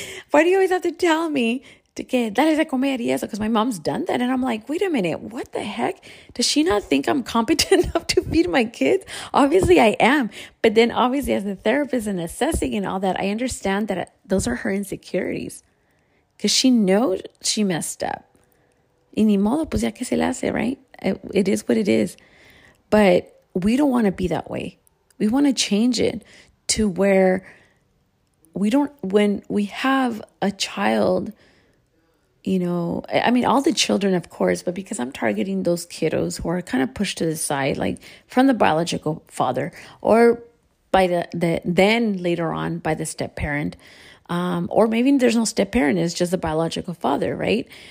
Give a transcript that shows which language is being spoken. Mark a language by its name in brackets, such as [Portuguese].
[English] Why do you always have to tell me to get that is [Spanish] a comer y eso? [English] Because my mom's done that. And I'm like, wait a minute, what the heck? Does she not think I'm competent enough to feed my kids? Obviously I am. But then obviously as a therapist and assessing and all that, I understand that those are her insecurities. Because she knows she messed up. [Spanish] Y ni modo, pues ya que se le hace, [English] right? It is what it is. But we don't want to be that way. We want to change it to where we don't, when we have a child, you know, I mean, all the children, of course, but because I'm targeting those kiddos who are kind of pushed to the side, like from the biological father or by then later on by the step parent, or maybe there's no step parent, it's just the biological father, right?